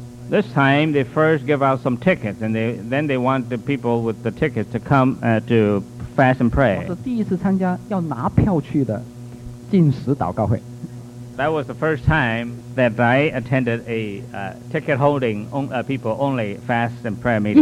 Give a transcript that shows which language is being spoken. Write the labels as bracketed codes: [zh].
[en] This time, they first give out some tickets, and then they want the people with the tickets to come to fast and pray. [zh] 我是第一次参加要拿票去的进食祷告会。 [en] That was the first time that I attended a ticket-holding people only fast and prayer meeting.